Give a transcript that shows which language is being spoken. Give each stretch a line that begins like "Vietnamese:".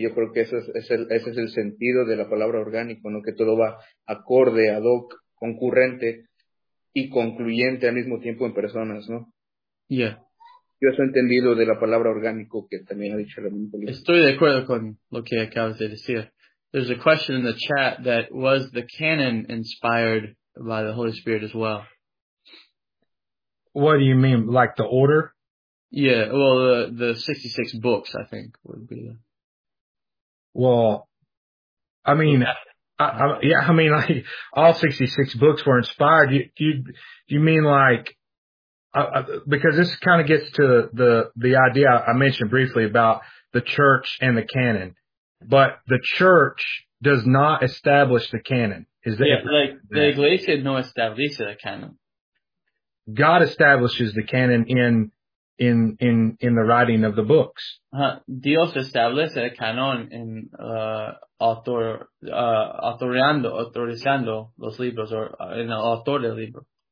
Spanish: Yo creo que ese es el sentido de la palabra orgánico, ¿no? Que todo va acorde, ad hoc, concurrente y concluyente al mismo tiempo en personas, ¿no?
English: Yeah.
Spanish: Yo eso he entendido de la palabra orgánico que también ha dicho el hermano. Estoy de acuerdo con lo que acabas de decir.
English: There's a question in the chat that was the canon inspired by the Holy Spirit as well. What do you mean, like the order? Yeah, well, the 66 books, I think, would be. Well, I mean, like all 66 books were inspired. Because this kind of gets to the idea I mentioned briefly about the church and the canon. But the church does not establish the canon. Is that
Spanish: The iglesia no establece the canon.
English: God establishes the canon in the writing of the books.
Spanish: Dios establece el canon en autorizando los libros or en el autor del libro.